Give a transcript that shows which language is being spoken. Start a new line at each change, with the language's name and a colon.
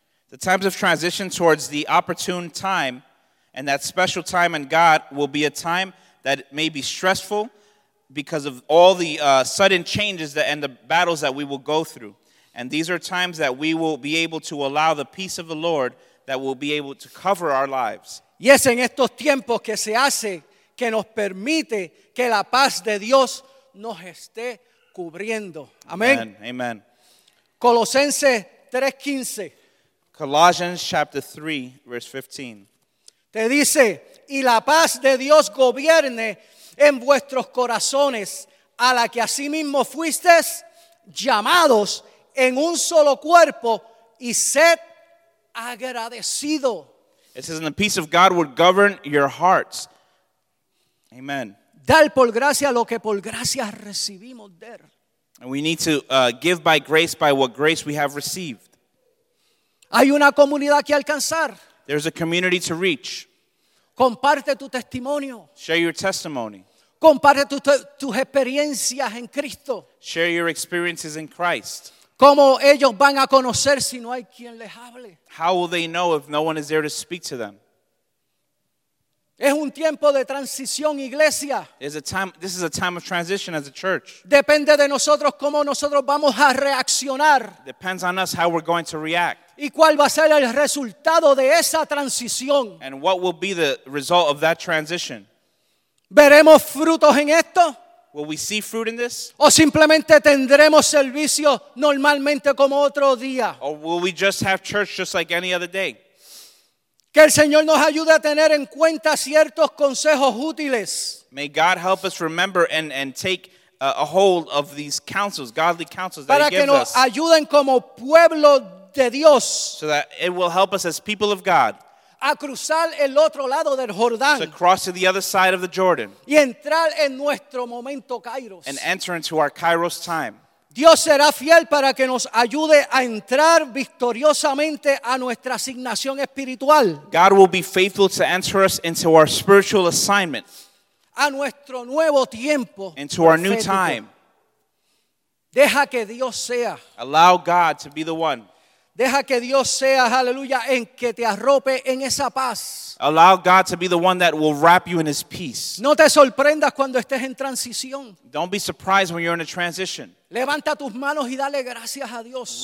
English: The times of transition towards the opportune time and that special time in God will be a time that may be stressful because of all the sudden changes that, and the battles that we will go through. And these are times that we will be able to allow the peace of the Lord that will be able to cover our lives.
Spanish: Y es en estos tiempos que se hace, que nos permite que la paz de Dios nos esté cubriendo. Amén.
English: Amen. Amen.
Spanish: Colosenses 3:15.
English: Colossians chapter 3, verse 15.
Spanish: Te dice, y la paz de Dios gobierne en vuestros corazones, a la que asimismo fuisteis llamados en un solo cuerpo, y sed agradecido.
English: It says, and the peace of God would govern your hearts. Amen.
Spanish: Dar por gracia lo que por gracia recibimos de él.
English: And we need to give by grace by what grace we have received.
Spanish: Hay una comunidad que alcanzar.
English: There's a community to reach.
Spanish: Comparte tu testimonio.
English: Share your testimony.
Spanish: Comparte tus experiencias en Cristo.
English: Share your experiences in Christ.
Spanish: ¿Cómo ellos van a conocer si no hay quien les hable?
English: How will they know if no one is there to speak to them?
Spanish: Es un tiempo de transición, iglesia.
English: This is a time of transition as a church.
Spanish: Depende de nosotros cómo nosotros vamos a reaccionar.
English: Depends on us how we're going to react.
Spanish: ¿Y cuál va a ser el resultado de esa transición?
English: And what will be the result of that transition?
Spanish: ¿Veremos frutos en esto?
English: Will we see fruit in this?
Spanish: ¿O simplemente tendremos servicio normalmente como otro día?
English: Or will we just have church just like any other day?
Spanish: Que el Señor nos ayude a tener en cuenta ciertos consejos útiles.
English: May God help us remember and take a hold of these counsels, godly counsels that he gives
Spanish: us. Para que nos ayuden como pueblo de Dios.
English: So that it will help us as people of God.
Spanish: A cruzar el otro lado del Jordán.
English: To cross to the other side of the Jordan.
Spanish: Y entrar en nuestro momento Kairos.
English: And enter into our Kairos time.
Spanish: Dios será fiel para que nos ayude a entrar victoriosamente a nuestra asignación espiritual.
English: God will be faithful to enter us into our spiritual assignment.
Spanish: A nuestro nuevo tiempo.
English: Into our new time.
Spanish: Deja que Dios sea.
English: Allow God to be the one.
Spanish: Deja que Dios sea, aleluya, en que te arrope en esa paz.
English: Allow God to be the one that will wrap you in his peace.
Spanish: No te sorprendas cuando estés en transición.
English: Don't be surprised when you're in a transition.
Spanish: Levanta tus manos y dale gracias a Dios.